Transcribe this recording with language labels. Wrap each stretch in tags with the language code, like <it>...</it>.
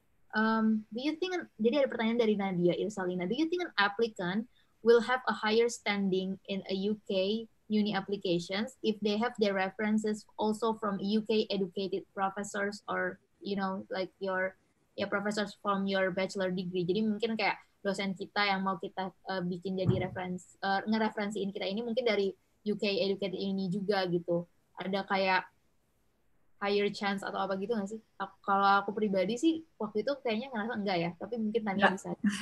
<id>Jadi ada pertanyaan dari Nadia Irsalina.</id> <en>Do you think an applicant will have a higher standing in a UK uni applications if they have their references also from UK educated professors or you know like your professors from your bachelor degree?</en> <id>Jadi mungkin kayak dosen kita yang mau kita bikin jadi referensi, ngereferensiin kita ini mungkin dari UK Educated ini juga gitu. Ada kayak higher chance atau apa gitu nggak sih? Kalau aku pribadi sih waktu itu kayaknya ngerasa enggak ya, tapi mungkin Tania bisa.</id>